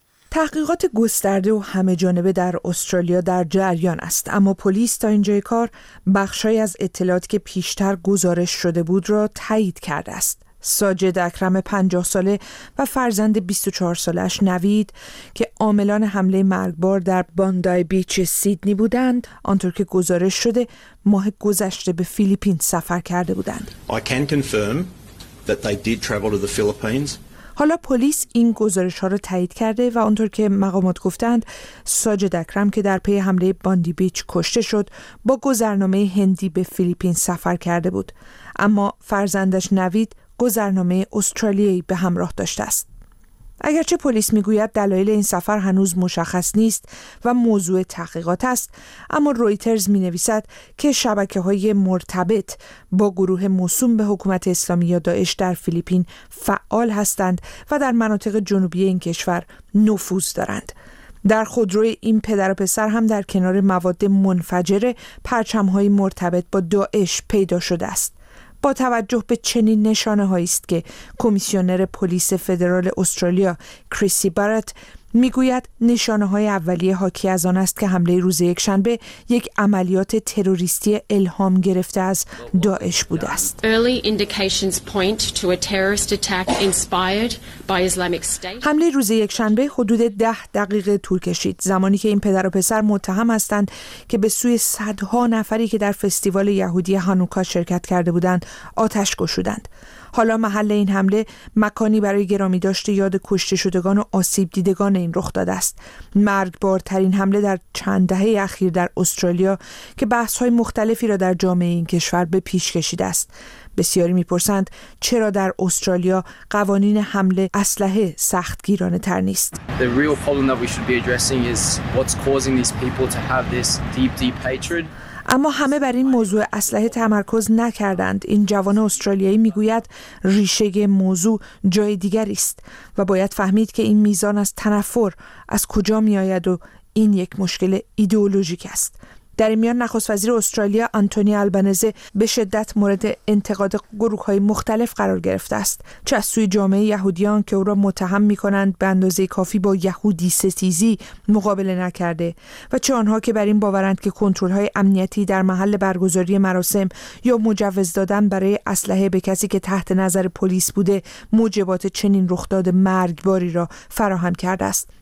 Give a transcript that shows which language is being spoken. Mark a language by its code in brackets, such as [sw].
[fa] تحقیقات گسترده و همه جانبه در استرالیا در جریان است، اما پلیس تا اینجای کار بخشای از اطلاعاتی که پیشتر گزارش شده بود را تایید کرده است. ساجد اکرم 50 ساله و فرزند 24 سالش نوید که عاملان حمله مرگبار در باندای بیچ سیدنی بودند، آنطور که گزارش شده ماه گذشته به فیلیپین سفر کرده بودند. [en] I can confirm that they did travel to the Philippines. [fa] حالا پلیس این گزارش‌ها را تایید کرده و آنطور که مقامات گفتند، ساجد اکرم که در پی حمله باندی بیچ کشته شد، با گذرنامه هندی به فیلیپین سفر کرده بود. اما فرزندش نوید گذرنامه استرالیایی به همراه داشته است. اگرچه پلیس میگوید دلایل این سفر هنوز مشخص نیست و موضوع تحقیقات است، اما رویترز مینویسد که شبکه‌های مرتبط با گروه موسوم به حکومت اسلامی یا داعش در فیلیپین فعال هستند و در مناطق جنوبی این کشور نفوذ دارند. در خودروی این پدر و پسر هم در کنار مواد منفجر پرچم‌های مرتبط با داعش پیدا شده است. با توجه به چنین نشانه هایی است که کمیسیونر پلیس فدرال استرالیا کریسی بارت میگوید نشانه های اولیه حاکی از آن است که حمله روز یکشنبه یک عملیات تروریستی الهام گرفته از داعش بوده است. [en] Early indications point to a terrorist attack inspired by Islamic State. [fa] حمله روز یکشنبه حدود 10 دقیقه طول کشید، زمانی که این پدر و پسر متهم هستند که به سوی صدها نفری که در فستیوال یهودی هانوکا شرکت کرده بودند آتش گشودند. حالا محل این حمله مکانی برای گرامی داشته یاد کشته شدگان و آسیب دیدگان این رخ داده است. مرگبارترین حمله در چند دهه اخیر در استرالیا که بحث‌های مختلفی را در جامعه این کشور به پیش کشیده است. بسیاری می‌پرسند چرا در استرالیا قوانین حمله اسلحه سختگیرانه تر نیست. [en] The real problem that we should be addressing is what's causing these people to have this deep hatred. [fa] اما همه بر این موضوع اسلحه تمرکز نکردند. این جوان استرالیایی میگوید ریشه موضوع جای دیگری است و باید فهمید که این میزان از تنفر از کجا میآید و این یک مشکل ایدئولوژیک است. در میان نخست وزیر استرالیا آنتونی آلبانزه به شدت مورد انتقاد گروه های مختلف قرار گرفته است، چه از سوی جامعه یهودیان که او را متهم می کنند به اندازه کافی با یهودی ستیزی مقابله نکرده و چه آنها که بر این باورند که کنترل های امنیتی در محل برگزاری مراسم یا مجوز دادن برای اسلحه به کسی که تحت نظر پلیس بوده موجبات چنین رخداد مرگباری را فراهم کرده است.